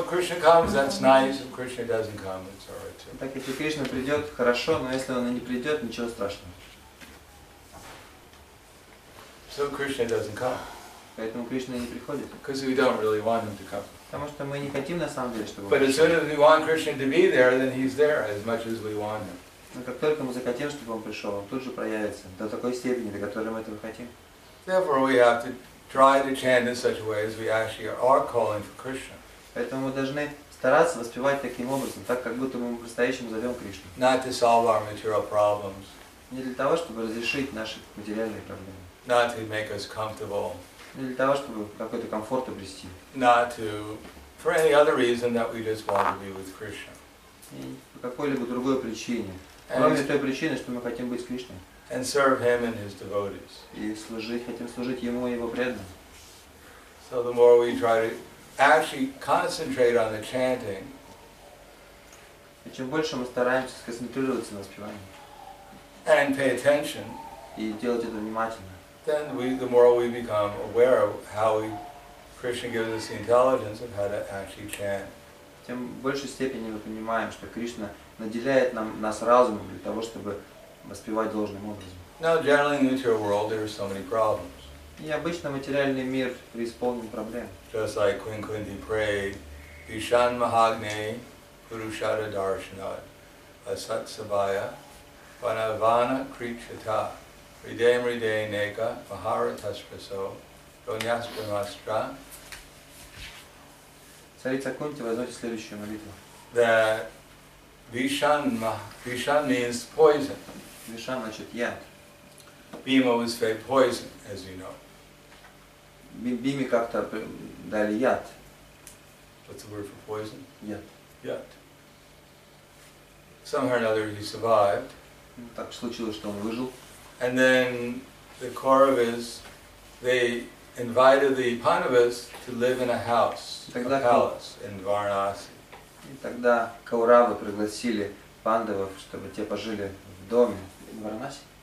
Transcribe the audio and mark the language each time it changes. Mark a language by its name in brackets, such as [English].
[English] So if Krishna comes, that's nice. If Krishna doesn't come, it's alright too. [Russian] Так если Кришна придет, хорошо, но если он не придет, ничего страшного. [English] So Krishna doesn't come. [Russian] Поэтому Кришна не приходит. [English] Because we don't really want him to come. [Russian] Потому что мы не хотим на самом деле, чтобы. [English] But as soon as we want Krishna to be there, then he's there as much as we want him. [Russian] Но как только мы захотим, чтобы он пришел, он тут же проявится до такой степени, до которой мы этого хотим. [English] Therefore, we have to try to chant in such a way as we actually are calling for Krishna. [Russian] Поэтому мы должны стараться воспевать таким образом, так как будто мы по-настоящему зовем Кришну. [English] Not to solve our material problems. [Russian] Не для того, чтобы разрешить наши материальные проблемы. [English] Not to make us comfortable. [Russian] Не для того, чтобы какой-то комфорт обрести. [English] Not to, for any other reason that we just want to be with Krishna. [Russian] И по какой-либо другой причине. Кроме той причины, что мы хотим быть с Кришной. [English] And serve him and his devotees. [Russian] И служить, хотим служить ему и его преданным. [English] So the more we try to actually concentrate on the chanting. [Russian] И чем больше мы стараемся сконцентрироваться на воспевании. [English] And pay attention. [Russian] И делать это внимательно. [English] Then the more we become aware of how Krishna gives us the intelligence of how to actually chant. [Russian] Тем большей степени мы понимаем, что Кришна наделяет нас разумом для того, чтобы воспевать должным образом. [English] Now, generally in the material world there are so many problems. [Russian] И обычно материальный мир преисполнен проблем. [English] Just like Queen Kunti prayed, Vishan Mahagne Purushada Darshanat Asat Sabaya Vanavana Krichata. Idem ride neka vahara taspaso donyaspa nastra. [Russian] Царица Кунти возносит следующую молитву. [English] Vishan means poison. [Russian] Vishan значит яд. [English] Bhima was fed poison, as you know. [Russian] Bhima как-то дали яд. [English] What's the word for poison? [Russian] Яд. [English] Somehow or another he survived. [Russian] Так случилось, что он выжил. [English] And then the Kauravas, they invited the Pandavas to live in a house, a palace in Varanasi. [Russian] И тогда Кауравы пригласили Пандавов, чтобы те пожили в доме в Варанаси.